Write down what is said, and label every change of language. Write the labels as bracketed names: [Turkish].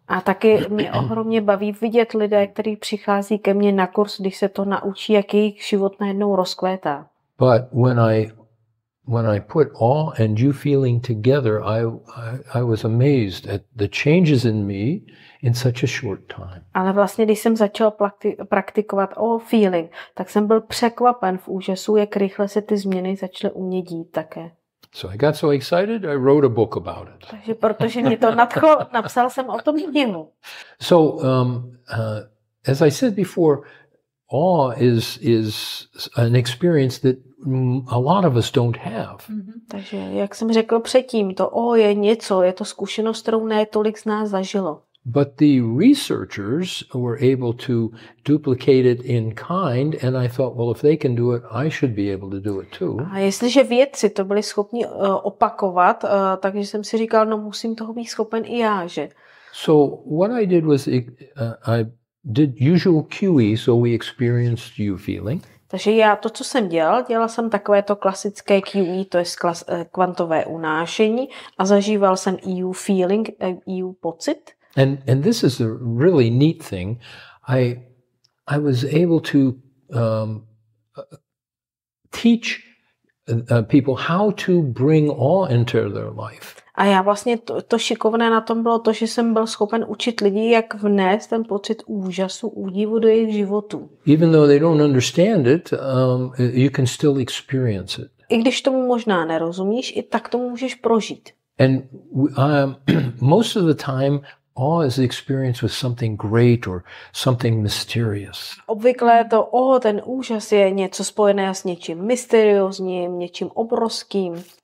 [Czech] A taky mě ohromně baví vidět lidé, kteří přichází ke mně na kurz, když se to naučí, jak jejich život najednou rozkvétá. [English] But when I put awe and you feeling together, I was amazed at the changes in me in such a short time. [Czech] Ale vlastně když jsem začal praktikovat awe feeling, tak jsem byl překvapen v úžasu, jak rychle se ty změny začaly u mě dít také. [English] So I got so excited, I wrote a book about it. [Czech] Takže protože mě to nadchlo, napsal jsem o tom knihu. [English] So as I said before, awe is an experience that a lot of us don't have. Mm-hmm. [Czech] Takže jak jsem řekl předtím, to awe je něco, je to zkušenost, kterou ne tolik z nás zažilo. [English] But the researchers were able to duplicate it in kind, and I thought, well, if they can do it, I should be able to do it too. [Czech] A jestliže vědci to byli schopni opakovat, takže jsem si říkal, no musím toho být schopen i já, že? [English] So what I did was I did usual QE, so we experienced you feeling. [Czech] Takže já to, co jsem dělal jsem takovéto klasické QE, to je kvantové unášení, a zažíval jsem EU feeling, EU pocit. [English] And this is a really neat thing. I was able to teach people how to bring awe into their life. [Czech] A já vlastně to šikovné na tom bylo to, že jsem byl schopen učit lidi, jak vnést ten pocit úžasu, údivu do jejich životu. [English] Even though they don't understand it, you can still experience it. [Czech] I když tomu možná nerozumíš, i tak to můžeš prožít. [English] And most of the time awe is the experience with something great or something mysterious. [Czech] Obvykle to awe, ten úžas, je něco spojené s něčím mysteriózním, něčím obrovským.